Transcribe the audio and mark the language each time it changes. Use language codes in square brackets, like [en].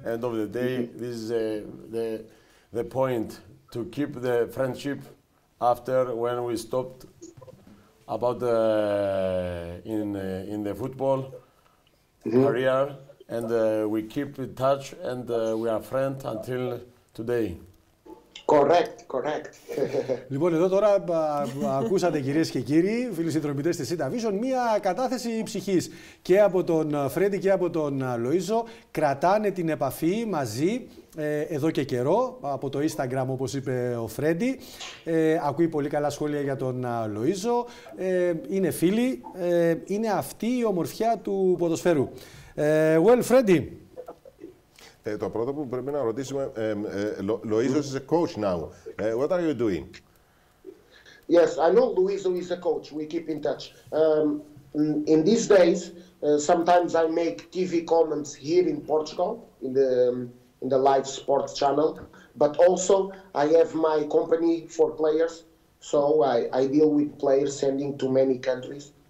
[en] End of the day, this is the point to keep the friendship after when we stopped about in the football career, and we keep in touch, and we are friends until today. Correct. [el] Λοιπόν, εδώ τώρα ακούσατε, κυρίες και κύριοι, φίλοι συνδρομητές της Ita Vision, μία κατάθεση ψυχής και από τον Φρέντι και από τον Λοΐζο. Κρατάνε την επαφή μαζί εδώ και καιρό, από το Instagram, όπως είπε ο Φρέντι. Ακούει πολύ καλά σχόλια για τον Λοΐζο. Είναι φίλοι. Είναι αυτή η ομορφιά του ποδοσφαίρου. [en] Well, Φρέντι. [el] Το πρώτο που πρέπει να ρωτήσουμε, Λοΐζος [en] is a coach now. What are you doing? Yes, I know Luiso is a coach. We keep in touch. In these days, sometimes I make TV comments here in Portugal, in the live sports channel, but also I have my company for players, so I deal with players sending to many countries.